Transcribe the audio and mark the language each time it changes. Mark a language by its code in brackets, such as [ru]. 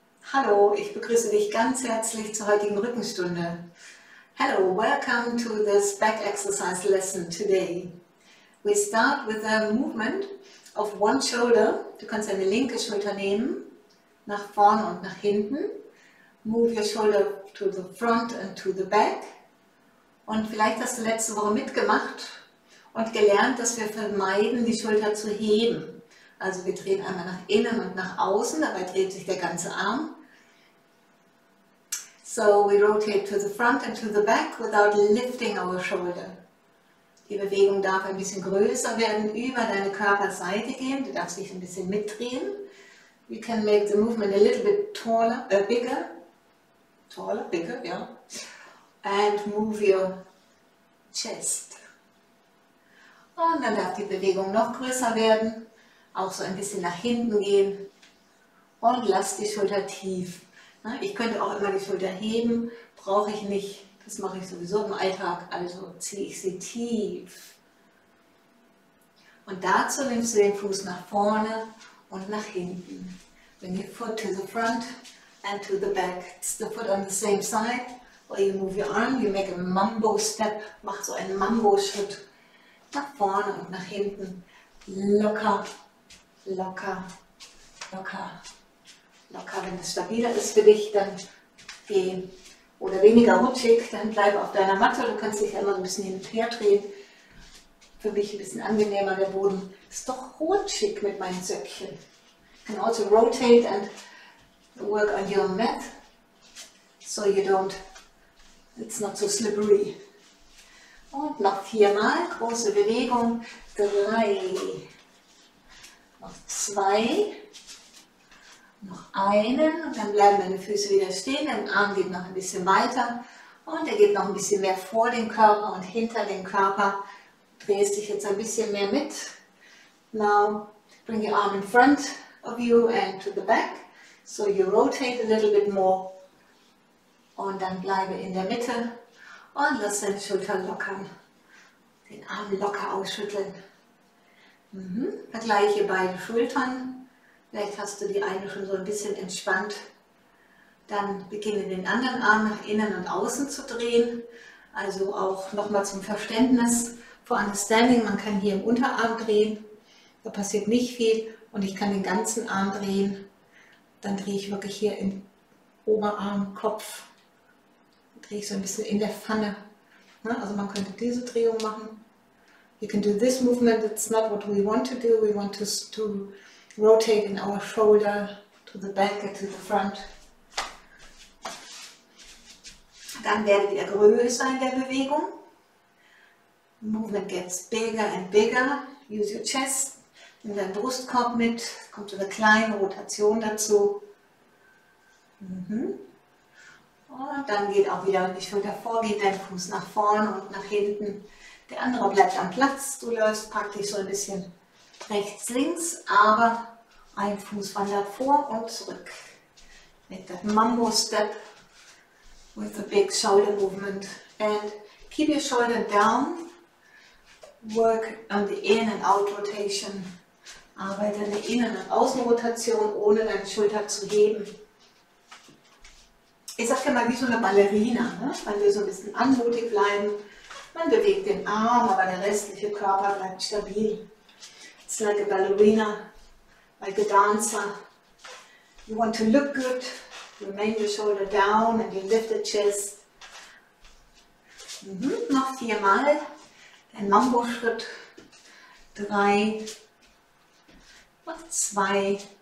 [de] Hallo, ich begrüße dich ganz herzlich zur heutigen Rückenstunde. [en] Hello, welcome to this back exercise lesson today. We start with a movement of one shoulder. [de] Du kannst deine linke Schulter nehmen, nach vorne und nach hinten. [en] Move your shoulder to the front and to the back. [de] Und vielleicht hast du letzte Woche mitgemacht und gelernt, dass wir vermeiden, die Schulter zu heben. Also wir drehen einmal nach innen und nach außen, dabei dreht sich der ganze Arm. [en] So we rotate to the front and to the back without lifting our shoulder. [de] Die Bewegung darf ein bisschen größer werden, über deine Körperseite gehen. Du darfst dich ein bisschen mitdrehen. [en] You can make the movement a little bit taller, bigger. Taller, bigger, ja. Yeah. And move your chest. [de] Und dann darf die Bewegung noch größer werden. Auch so ein bisschen nach hinten gehen und lass die Schulter tief. Ich könnte auch immer die Schulter heben, brauche ich nicht. Das mache ich sowieso im Alltag, also ziehe ich sie tief. Und dazu nimmst du den Fuß nach vorne und nach hinten. [en] Bring your foot to the front and to the back. It's the foot on the same side, or you move your arm, you make a mambo step. [de] Mach so einen Mambo-Schritt nach vorne und nach hinten. Locker. Locker, locker, locker. Wenn es stabiler ist für dich, dann geh. Oder weniger rutschig, dann bleib auf deiner Matte. Du kannst dich immer ein bisschen hin und her drehen. Für mich ein bisschen angenehmer, der Boden ist doch rutschig mit meinen Söckchen. [en] You can also rotate and work on your mat, so you don't, it's not so slippery. [de] Und noch viermal, große Bewegung, drei. Noch zwei, noch einen und dann bleiben deine Füße wieder stehen. Dein Arm geht noch ein bisschen weiter und er geht noch ein bisschen mehr vor den Körper und hinter den Körper. Drehst dich jetzt ein bisschen mehr mit. [en] Now bring your arm in front of you and to the back. So you rotate a little bit more [de] und dann bleibe in der Mitte und lass deine Schultern lockern. Den Arm locker ausschütteln. Vergleiche beide Schultern. Vielleicht hast du die eine schon so ein bisschen entspannt. Dann beginne den anderen Arm nach innen und außen zu drehen. Also auch nochmal zum Verständnis, [en] for understanding, [de] man kann hier im Unterarm drehen. Da passiert nicht viel und ich kann den ganzen Arm drehen. Dann drehe ich wirklich hier im Oberarm, Kopf. Dann drehe ich so ein bisschen in der Pfanne. Also man könnte diese Drehung machen. [en] You can do this movement, it's not what we want to do. We want to rotate in our shoulder to the back and to the front. [de] Dann werdet ihr größer in der Bewegung. [en] Movement gets bigger and bigger. Use your chest, [de] nimm deinen Brustkorb mit, kommt eine kleine Rotation dazu. Und dann geht auch wieder die Schulter vor, geht dein Fuß nach vorne und nach hinten. Der andere bleibt am Platz, du läufst praktisch so ein bisschen rechts, links, aber ein Fuß wandert vor und zurück. Mit dem [en] Mambo Step, with the big shoulder movement. And keep your shoulder down, work on the in and out rotation. [de] Arbeite an der Innen- und Außenrotation, ohne deine Schulter zu heben. Ich sag ja mal wie so eine Ballerina, ne? Weil wir so ein bisschen anmutig bleiben. Man bewegt den Arm, aber der restliche Körper bleibt stabil. [en] It's like a ballerina, like a dancer. You want to look good, remain your shoulder down and you lift the chest. [de] Noch viermal, ein Mambo-Schritt. Drei, noch zwei.